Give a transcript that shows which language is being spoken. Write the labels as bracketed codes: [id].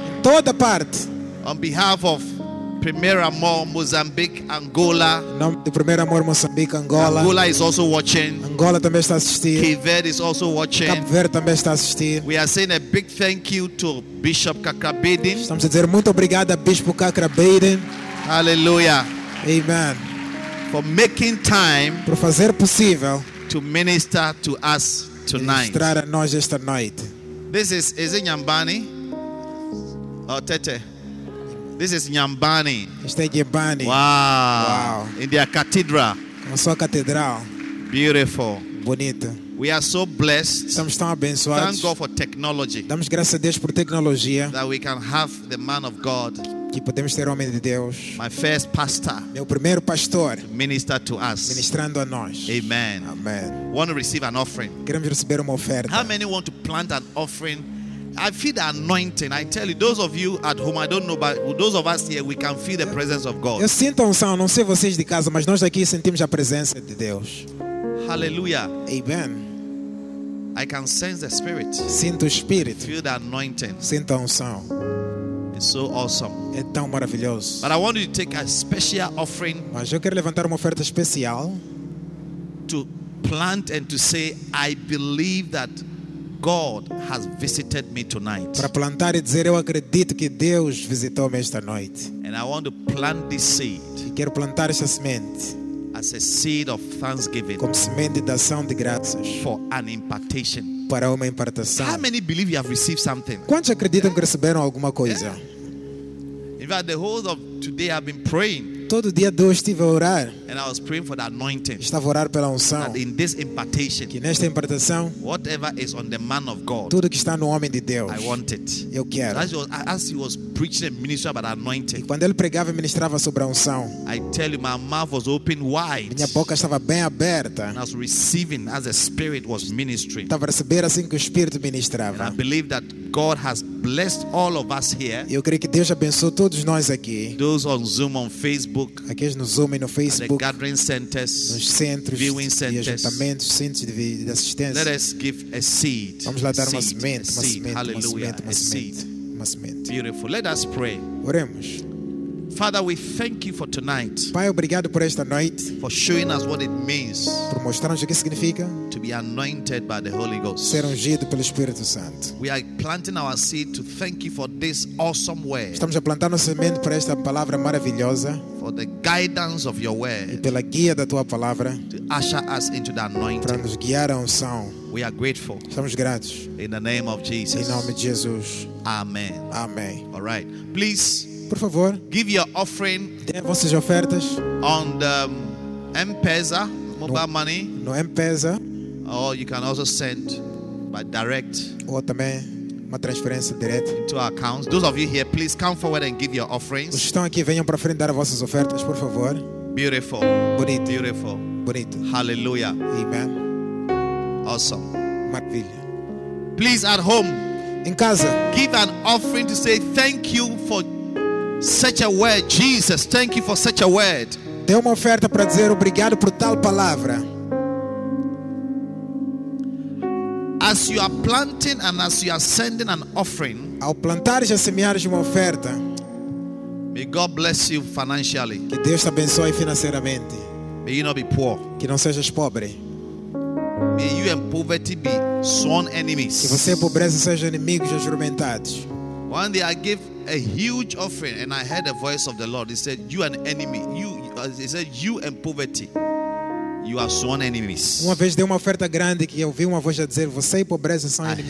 [pt] Toda parte. [en] On behalf of Primeiro Amor Mozambique, Angola. The Primeiro Amor Mozambique, Angola. Angola is also watching. [pt] Angola também está assistindo. [en] Cape Verde is also watching. [pt] Cape Verde também está assistindo. [en] We are saying a big thank you to Bishop Kakrabeden. [pt] Estamos a dizer muito obrigado a Bispo Kakrabeden. [en] Hallelujah. Amen. For making time. [pt] Por fazer possível. [en] To minister to us tonight. [pt] Ministrar a nós esta noite. [en] This is it Nyambani? Oh, Tete. This is Nyambani. [pt] Este é Nyambani. [en] Wow. In their cathedral. [pt] Na sua catedral. [en] Beautiful. [pt] Bonita. [en] We are so blessed. [pt] Estamos tão abençoados. [en] Thank God for technology. [pt] Damos graças a Deus por tecnologia. [en] That we can have the man of God. [pt] Que podemos ter homem de Deus. [en] My first pastor. [pt] Meu primeiro pastor. [en] To minister to us. [pt] Ministrando a nós. [en] Amen. Amen. Want to receive an offering? [pt] Queremos receber uma oferta. [en] How many want to plant an offering? I feel the anointing. I tell you, those of you at home, I don't know, but those of us here, we can feel the presence of God. [pt] Eu sinto a unção. Não sei vocês de casa, mas nós aqui sentimos a presença de Deus. [en] Hallelujah. Amen. I can sense the Spirit. [pt] Sinto o Espírito. [en] I feel the anointing. [pt] Sinto a unção. [en] It's so awesome. [pt] É tão maravilhoso. [en] But I want you to take a special offering. [pt] Mas eu quero levantar uma oferta especial. [en] To plant and to say, I believe that God has visited me tonight. [pt] Para plantar e dizer, eu acredito que Deus visitou-me esta noite. [en] And I want to plant this seed. [pt] E quero plantar esta semente. [en] As a seed of thanksgiving. [pt] Como semente de ação de graças. [en] For an impartation. [pt] Para uma impartação. [en] How many believe you have received something? [pt] Quantos acreditam que receberam alguma coisa? [en] Yeah. In fact, the whole of today I've been praying. [pt] Todo dia de hoje estive a orar. [en] And I was praying for the anointing. [pt] Estava a orar pela unção. [en] That in this impartation, [pt] que nesta impartação, [en] whatever is on the man of God, [pt] tudo que está no homem de Deus, [en] I want it. [pt] Eu quero. [en] So as he was preaching and ministering about anointing, [pt] e quando ele pregava e ministrava sobre a unção, [en] I tell you, my mouth was open wide. [pt] Minha boca estava bem aberta. [en] And I was receiving as the Spirit was ministering. [pt] Estava a receber assim que o Espírito ministrava. [en] And I believe that God has blessed all of us here. [pt] Eu creio que Deus abençoou todos nós aqui. [en] Those on Zoom, on Facebook. [pt] Aqueles no Zoom e no Facebook. [en] The gathering centers. [pt] Nos centros. [en] Viewing centers. [pt] E ajuntamentos, centros de assistência. [en] Let us give a seed. [pt] Vamos lá dar uma semente, uma semente. [en] Hallelujah. A seed. [pt] Uma semente. [en] Beautiful. Let us pray. [pt] Oremos. [en] Father, we thank you for tonight. [pt] Pai, obrigado por esta noite. [en] For showing us what it means. [pt] Por mostrar-nos o que significa. [en] To be anointed by the Holy Ghost. [pt] Ser ungido pelo Espírito Santo. [en] We are planting our seed to thank you for this awesome word. [pt] Estamos a plantar nossa semente para esta palavra maravilhosa. [en] For the guidance of your word. [pt] E pela guia da tua palavra. [en] To usher us into the anointing. [pt] Para nos guiar à unção. [en] We are grateful. [pt] Estamos gratos. [en] In the name of Jesus. [pt] Em nome de Jesus. [en] Amen. [pt] Amém. [en] All right. Please. [pt] Por favor, [en] give your offering. [pt] Dê vossas ofertas [en] on the M-Pesa mobile [pt] no, [en] money. [pt] No M-Pesa. [en] Or you can also send by direct. [pt] Ou também uma transferência direta. [en] Into our accounts. Those of you here, please come forward and give your offerings. [pt] Os que estão aqui, venham para frente dar vossas ofertas, por favor. [en] Beautiful. [pt] Bonito. [en] Beautiful. [pt] Bonito. [en] Hallelujah. Amen. Awesome. [pt] Maravilha. [en] Please at home. [pt] Em casa. [en] Give an offering to say thank you for such a word, Jesus. Thank you for such a word. [pt] Dê uma oferta para dizer obrigado por tal palavra. [en] As you are planting and as you are sending an offering, [pt] ao plantar e a semear uma oferta, [en] may God bless you financially. [pt] Que Deus te abençoe financeiramente. [en] May you not be poor. [pt] Que não sejas pobre. [en] May you and poverty be sworn enemies. [pt] Que você e a pobreza sejam inimigos juramentados. [en] One day I give a huge offering and I heard the voice of the Lord. He said, you an enemy. He said, you and poverty, you are sworn enemies. [pt] Uma vez dei uma oferta grande que eu ouvi uma voz a dizer, você e pobreza são inimigos.